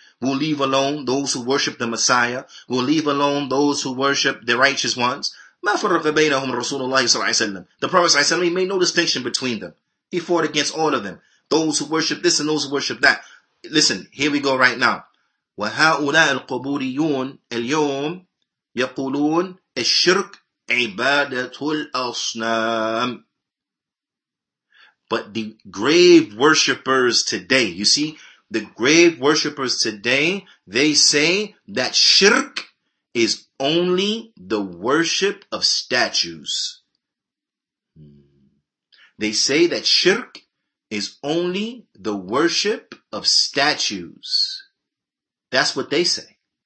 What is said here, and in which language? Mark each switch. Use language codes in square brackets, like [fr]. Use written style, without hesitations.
[en] We'll leave alone those who worship the Messiah. We'll leave alone those who worship the righteous ones. [ar] مَا فَرَّقَ بَيْنَهُمْ رَسُولُ اللَّهِ صَلَّى اللَّهُ عَلَيْهِ وَسَلَّمَ [en] The Prophet صلى الله عليه وسلم, he made no distinction between them. He fought against all of them. Those who worship this and those who worship that. Listen, here we go right now. [ar] وهؤلاء القبوريون اليوم يقولون الشرك عبادة الأصنام. [en] But the grave worshippers today, you see, the grave worshippers today, they say that shirk is only the worship of statues. They say that shirk is only the worship of statues. That's what they say.